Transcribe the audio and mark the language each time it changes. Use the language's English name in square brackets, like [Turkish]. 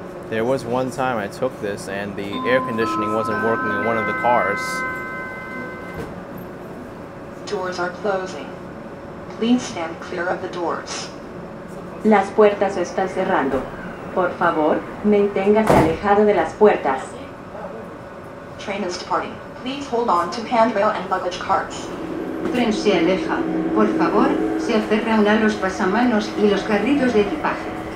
[English] There was one time I took this and the air conditioning wasn't working in one of the cars. Doors are closing. Please stand clear of the doors. [Spanish] Las puertas están cerrando. Por favor, manténgase alejado de las puertas. [English] Train is departing. Please hold on to handrail and luggage carts. [Spanish] Tren se aleja. Por favor, se aferra a los pasamanos y los carritos de equipaje.